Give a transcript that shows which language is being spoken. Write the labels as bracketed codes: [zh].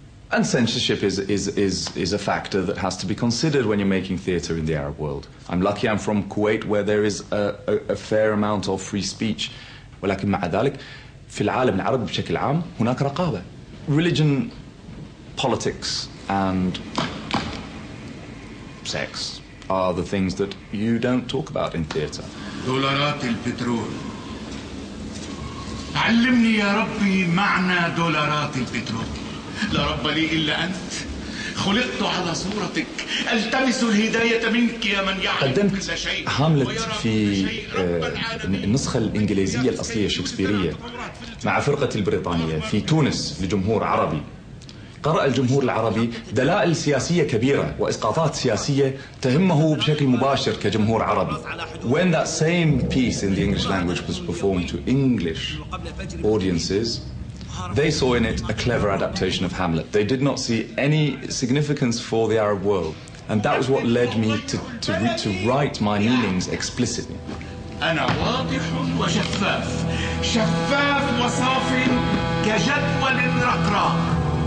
[en] And censorship is a factor that has to be considered when you're making theatre in the Arab world. I'm lucky I'm from Kuwait where there is a fair amount of free speech. [ar] ولكن مع ذلك في العالم العربي بشكل عام هناك رقابة. [en] Religion, politics and sex are the things that you don't talk about in theatre. [ar] دولارات البترول. علمني يا ربي معنى دولارات البترول. لا رب لي إلا أنت. خلقت على صورتك. ألتمس الهداية منك يا من يعلم قدمت كل شيء. هاملت في النسخة الإنجليزية الأصلية الشكسبيرية مع فرقة البريطانية في تونس لجمهور عربي. قرأ الجمهور العربي دلائل سياسية كبيرة وإسقاطات سياسية تهمه بشكل مباشر كجمهور عربي. [en] When that same piece in the English language was performed to English audiences, they saw in it a clever adaptation of Hamlet. They did not see any significance for the Arab world. And that was what led me to write my meanings explicitly. [ar] أنا واضح وشفاف شفاف وصافي كجدول رقراق